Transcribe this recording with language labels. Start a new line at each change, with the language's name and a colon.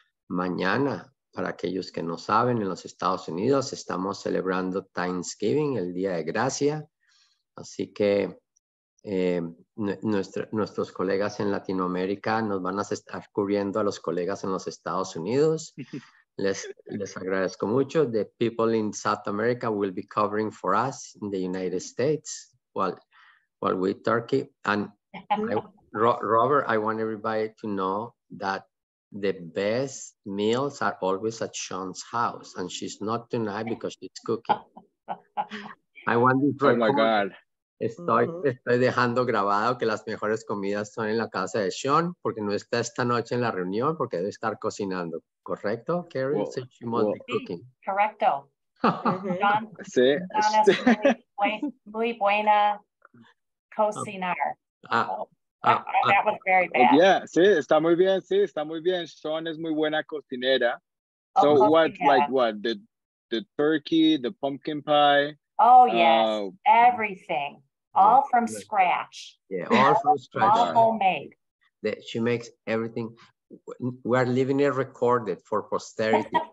Spanish: Mañana, para aquellos que no saben, en los Estados Unidos estamos celebrando Thanksgiving, el Día de Gracia. Así que nuestros colegas en Latinoamérica nos van a estar cubriendo a los colegas en los Estados Unidos. Les agradezco mucho.
English: The people in South America will be covering for us in the United States while we're Turkey. And Robert, I want everybody to know that the best meals are always at Sean's house, and she's not tonight because she's cooking. I want this record. Oh my God.
Spanish: Estoy dejando grabado que las mejores comidas son en la casa de Sean, porque no está esta noche en la reunión, porque debe estar cocinando. ¿Correcto,
English: Carrie? Well, so she must be cooking.
Spanish: Sí, correcto. Sean, sí. Sean es muy buena cocinar.
English: That was very bad.
Spanish: Yeah, sí, está muy bien, sí, está muy bien. Sean es muy buena cocinera. So cocinera.
English: What, like what, the turkey, the pumpkin pie? Oh, yes, everything. All from scratch. All homemade. That she makes everything. We're leaving it recorded for posterity.